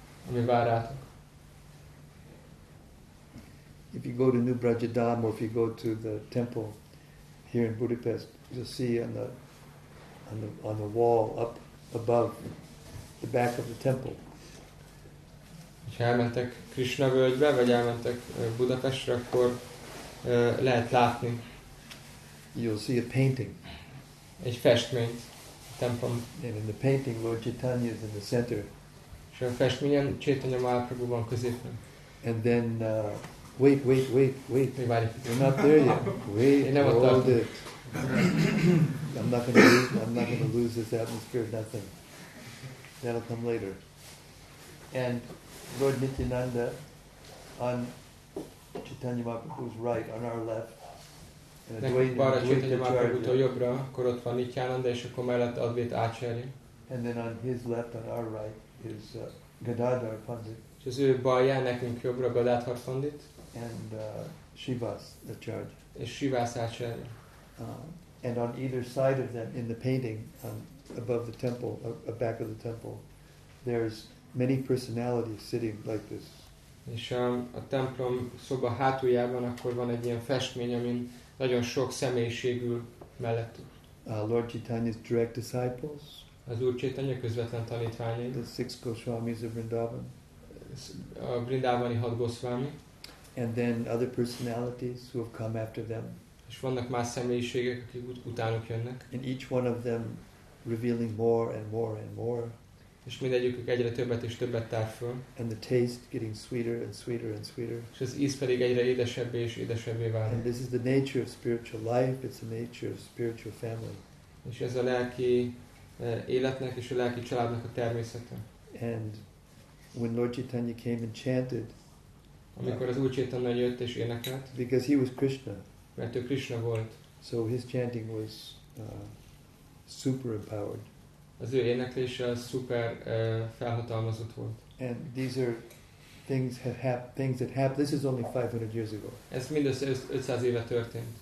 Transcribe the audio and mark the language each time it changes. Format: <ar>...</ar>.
<hu>Ami vár rátok.</hu> <en>If you go to New Brajadam or if you go to the temple here in Budapest, you'll see on the wall up above the back of the temple.</en> <hu>Ha elmentek Krishna völgybe, vagy elmentek Budapestre, akkor lehet látni.</hu> <en>You'll see a painting.</en> <hu>Egy festményt a templom.</hu> <en>And in the painting, Lord Chaitanya is in the center.</en> <hu>És a festményen Chaitanya Mahaprabhu van középen.</hu> <en>And then, wait. We're not there yet. Wait, hold it. I'm not going to lose this atmosphere, nothing. That'll come later. And Lord Nityananda on Chaitanya Mahaprabhu's right, on our left.</en> <hu>Balra Chaitanya Mahaprabhutól jobbra, akkor ott van Nityananda, és akkor mellett Advaita Acharya.</hu> <en>And then on his left, on our right, is Gadadhar Pandit.</en> <hu>És az ő balján, nekünk jobbra Gadadhar Pandit.</hu> <en>And Shivas Acharya.</en> <hu>És Shivas Acharya.</hu> <en>And on either side of them, in the painting, above the temple, a back of the temple, there's many personalities sitting like this.</en> <hu>És a templom szoba hátuljában akkor van egy ilyen festmény, amin nagyon sok személyiség ül mellettük.</hu> <en>Lord Chaitanya's direct disciples.</en> <hu>Az Úr Chaitanya közvetlen tanítványai.</hu> <en>The six Goswamis of Vrindavan.</en> <hu>A Vrindavani hat Goswami.</hu> <en>And then other personalities who have come after them.</en> <hu>És vannak más személyiségek, akik utánuk jönnek.</hu> <en>And each one of them revealing more and more and more.</en> <hu>És mindegyikük egyre többet és többet tár föl.</hu> <en>And the taste getting sweeter and sweeter and sweeter.</en> <hu>És az íz pedig egyre édesebbé és édesebbé válik.</hu> <en>And this is the nature of spiritual life, it's the nature of spiritual family.</en> <hu>És ez a lelki életnek és a lelki családnak a természete.</hu> <en>And when Lord Chaitanya came and chanted,</en> <hu>amikor az Úr Chaitanya jött és énekelt,</hu> <en>because he was Krishna,</en> <hu>mert ő Krishna volt,</hu> <en>so his chanting was super empowered.</en> <hu>Az ő éneklése szuper felhatalmazott volt.</hu> <en>And these are things that happened. This is only 500 years ago.</en> <hu>Ez mindössze 500 éve történt.</hu>